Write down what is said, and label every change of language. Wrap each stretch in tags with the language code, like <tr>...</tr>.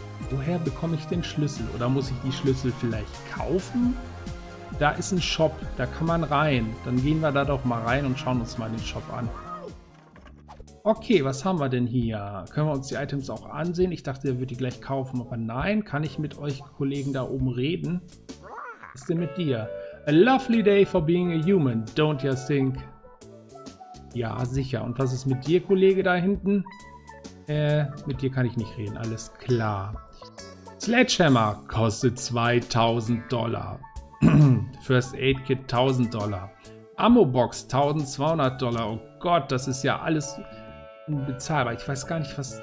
<de>Woher bekomme ich den Schlüssel? Oder muss ich die Schlüssel vielleicht kaufen? Da ist ein Shop. Da kann man rein. Dann gehen wir da doch mal rein und schauen uns mal den Shop an. Okay, was haben wir denn hier? Können wir uns die Items auch ansehen? Ich dachte, er würde die gleich kaufen, aber nein. Kann ich mit euch Kollegen da oben reden? Was ist denn mit dir?</de> <en>A lovely day for being a human, don't you think?</en> <de>Ja, sicher. Und was ist mit dir, Kollege, da hinten? Mit dir kann ich nicht reden, alles klar. Sledgehammer kostet $2000. First Aid Kit $1000. Ammo Box $1200. Oh Gott, das ist ja alles... unbezahlbar. Ich weiß gar nicht, was...</de>